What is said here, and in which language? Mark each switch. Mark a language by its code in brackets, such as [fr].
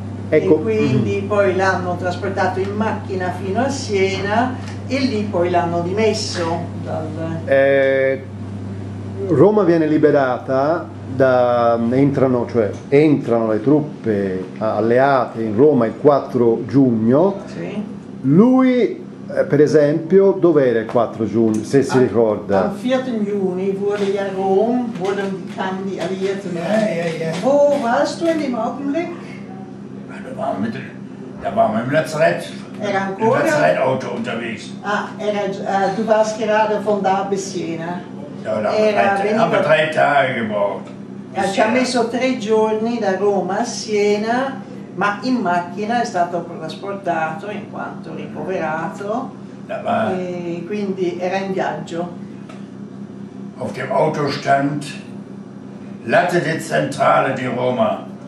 [it] Ecco. E quindi poi l'hanno trasportato in macchina fino a Siena e lì poi l'hanno dimesso. Roma viene liberata, entrano le truppe alleate in Roma il 4 giugno. Sì. Lui, per esempio, dov'era il 4 giugno, se si ricorda? [de] Am 4. Juni wurde ja Rom, wurden die Kandi alliiert. Wo warst du in dem Augenblick? Da waren wir im Lazarett. Era ancora? Im Lazarett-Auto unterwegs. Du warst gerade von da bis Siena. Aber drei Tage gebraucht. [it] Ci ha messo tre giorni da Roma a Siena, ma in macchina è stato trasportato in quanto ricoverato. E quindi era in viaggio. [de] Auf dem Auto stand Latte di Zentrale di Roma.